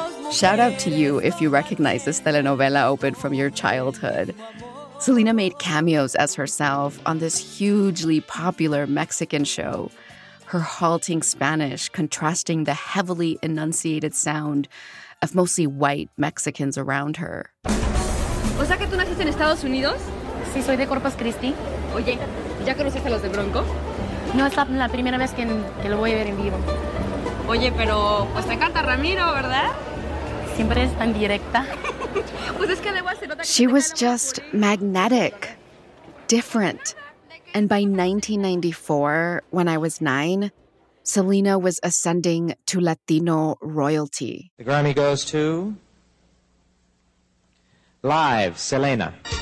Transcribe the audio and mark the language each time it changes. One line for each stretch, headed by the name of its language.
English: Shout out to you if you recognize this telenovela open from your childhood. Selena made cameos as herself on this hugely popular Mexican show, her halting Spanish contrasting the heavily enunciated sound of mostly white Mexicans around her.
Spanish: O sea que tú naciste en Estados Unidos? Sí, soy de Corpus Christi. Oye, ¿ya conociste a los de Bronco? No, es la primera vez que lo voy a ver en vivo. Oye, pero pues te encanta Ramiro, ¿verdad? Siempre es tan directa. Pues es que le voy a hacer otra.
English: She was just magnetic, different. And by 1994, when I was 9, Selena was ascending to Latino royalty. The Grammy goes to Live Selena.